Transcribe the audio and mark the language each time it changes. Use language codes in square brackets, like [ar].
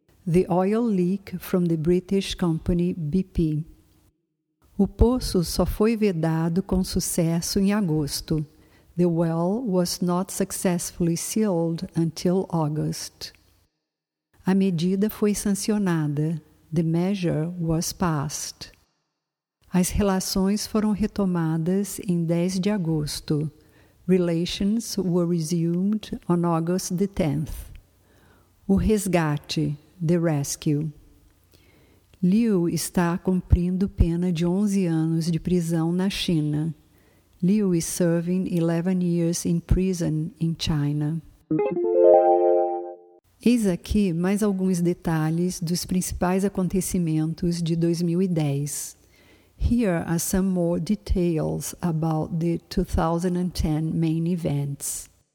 [en] The oil leak from the British company BP. [pt] O poço só foi vedado com sucesso em agosto. [en] The well was not successfully sealed until August. [pt] A medida foi sancionada. [en] The measure was passed. [pt] As relações foram retomadas em 10 de agosto. [en] Relations were resumed on August the 10th. [pt] O resgate, [en] the rescue. [pt] Liu está cumprindo pena de 11 anos de prisão na China. [en] Liu is serving 11 years in prison in China. [pt] Eis aqui mais alguns detalhes dos principais acontecimentos de 2010. [en] Here are some more details about the 2010 main events.